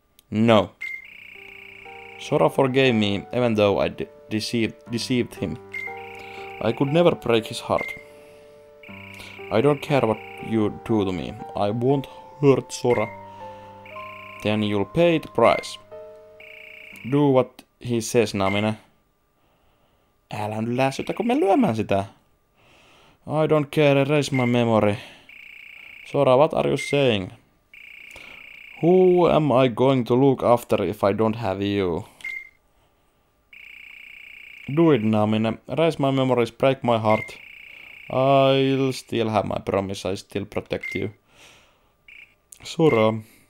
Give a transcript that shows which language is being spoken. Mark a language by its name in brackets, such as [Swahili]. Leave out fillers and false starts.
[English] No. Sora forgave me, even though I deceived him. I could never break his heart. I don't care what you do to me. I won't hurt Sora. Then you'll pay the price. Do what he says, Namine. [Finnish] Älä nyt läsytä, kun me lyömään sitä. [English] I don't care, erase my memory. Sora, what are you saying? Who am I going to look after if I don't have you? Do it, Namine. Erase my memories, break my heart. I'll still have my promise, I still protect you. Sora.